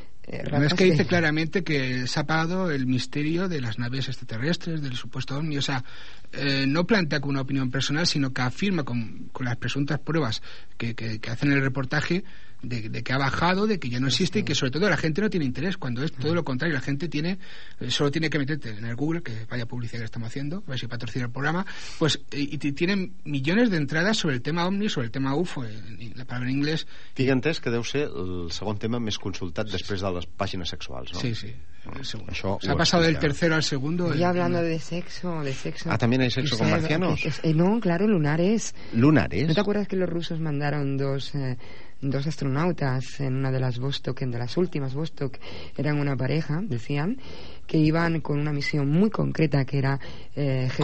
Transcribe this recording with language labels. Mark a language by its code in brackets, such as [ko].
[es] Rafa, no, es que dice claramente que se ha apagado el misterio de las naves extraterrestres, del supuesto OVNI. O sea, no plantea como una opinión personal, sino que afirma con las presuntas pruebas que hacen el reportaje de que ha bajado, de que ya no existe, sí. Y que sobre todo la gente no tiene interés, cuando es todo lo contrario. La gente tiene, solo tiene que meterte en el Google, que vaya publicidad que estamos haciendo, a ver si patrocina el programa, pues, y tienen millones de entradas sobre el tema OVNI, sobre el tema UFO, la palabra en inglés. [ca] Tinc entès que deu ser el segon tema més consultat, sí, després de les pàgines sexuals, no? Sí, sí. Això se ha passat del tercer al segundo. [es] Ya hablando de sexo. Ah, también hay sexo, o sea, con marcianos. No, claro, lunares. ¿Lunares? ¿No te acuerdas que los rusos mandaron dos astronautas en una de las Vostok, en de las últimas Vostok? Eran una pareja, decían, que iban con una misión muy concreta, que era gestar...